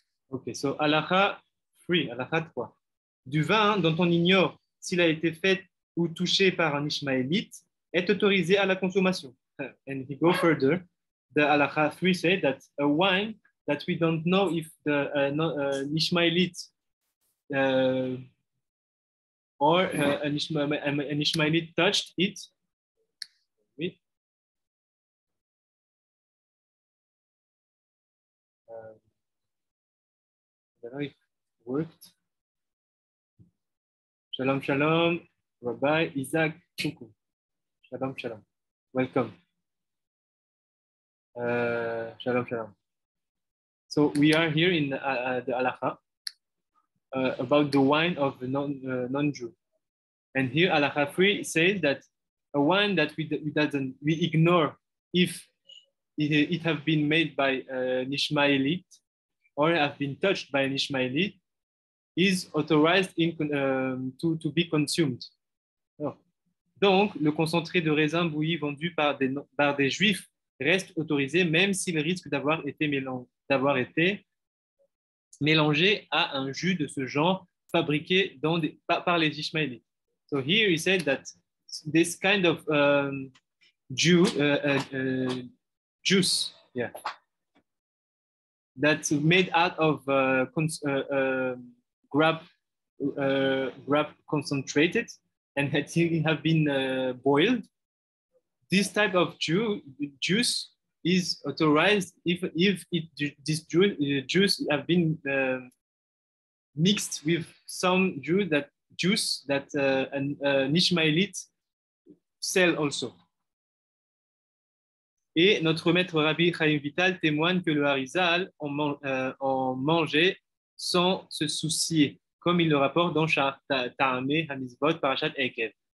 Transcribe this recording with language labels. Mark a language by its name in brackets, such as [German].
[English] Okay, so halakha. [French] Oui, à la fois. Du vin dont on ignore s'il a été fait ou touché par un Ishmaélite est autorisé à la consommation. [English] And he go further. The halakha 3 says that a wine that we don't know if the Ishmaélite or an Ishmaélite touched it. it worked. Shalom, shalom, Rabbi Isaac Kuku. Shalom, shalom. Welcome. Shalom, shalom. So we are here in the Halakha about the wine of the non-Jew. And here Halakha 3 says that a wine that we ignore if it have been made by an Ishmaelite or have been touched by an Ishmaelite is authorized in, to be consumed. Oh. [French] Donc, le concentré de raisin bouilli vendu par des Juifs reste autorisé même s'il risque d'avoir été mélangé à un jus de ce genre fabriqué par les Ishmaélites. [English] So here he said that this kind of juice, yeah, that's made out of grape concentrated, and that it have been boiled. This type of juice is authorized if this juice have been mixed with some juice that an Ishmaelite sell also. [French] Et notre maître Rabbi Chaim Vital témoigne que le Harizal en mangeait sans se soucier, comme il le rapporte dans Ta'ameh Hamizvot Parashat Ekev.